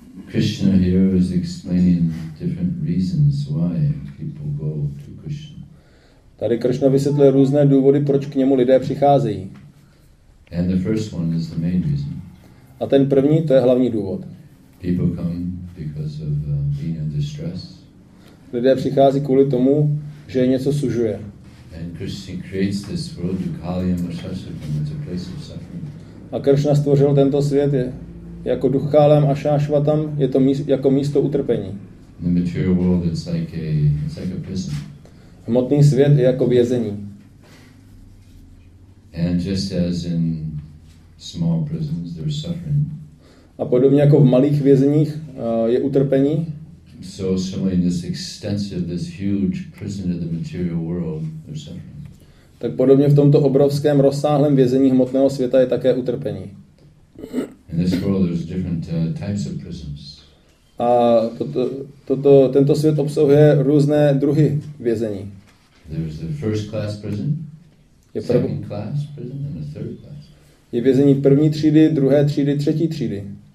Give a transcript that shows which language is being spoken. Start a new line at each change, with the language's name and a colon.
English: Krishna here is explaining different reasons why people go to Krishna.
Czech: Tady Krishna vysvětluje různé důvody, proč k němu lidé přicházejí.
English: And the first one is the main reason.
Czech: A ten první, to je hlavní důvod.
English: People come because of being in distress.
Czech: Lidé přichází kvůli tomu, že je něco sužuje.
English: And Krishna creates this world, Kali and Ashashvatam, it's a place of suffering.
Czech: A Krishna stvořil tento svět jako duch Kali a Ashashvatam, je to jako místo utrpení.
English: The material world, it's like a prison.
Czech: Hmotný svět je jako vězení.
English: And just as in small prisons, there's suffering.
Czech: A podobně jako v malých vězeních je utrpení.
English: So similarly, this extensive, this huge prison of the material world, there's suffering.
Czech: Tak podobně v tomto obrovském, rozsáhlém vězení hmotného světa je také utrpení.
English: In this world, there's different types of prisons.
Czech: A tento svět obsahuje různé druhy vězení.
English: There's the first class prison. Second class prison and a third class.
Czech: Je vězení první třídy, druhé třídy, třetí třídy.